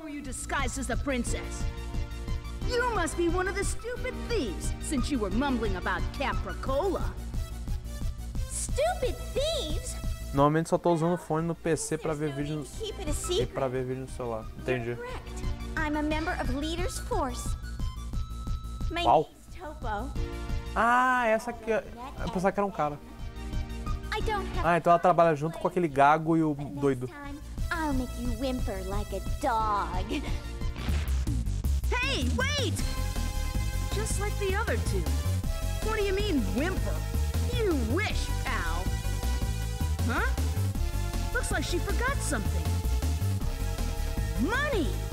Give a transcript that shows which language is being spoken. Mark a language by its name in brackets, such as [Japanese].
[English] Were you disguised as a princess? You must be one of the stupid thieves, since you were mumbling about Capricola. Stupid thieves? [Portuguese] Normalmente só tô usando o fone no PC pra ver vídeo no celular. Entendi. [English] I'm a member of Leader's Force. My name is Topo. [Portuguese] Ah, essa aqui. Eu pensava que era um cara. [English] I don't have. [Portuguese] Ah, então ela trabalha junto com aquele gago e o doido. [English] I'll make you whimper like a dog. Hey, wait! Just like the other two. What do you mean, whimper? You wish, pal. Huh? Looks like she forgot something. Money!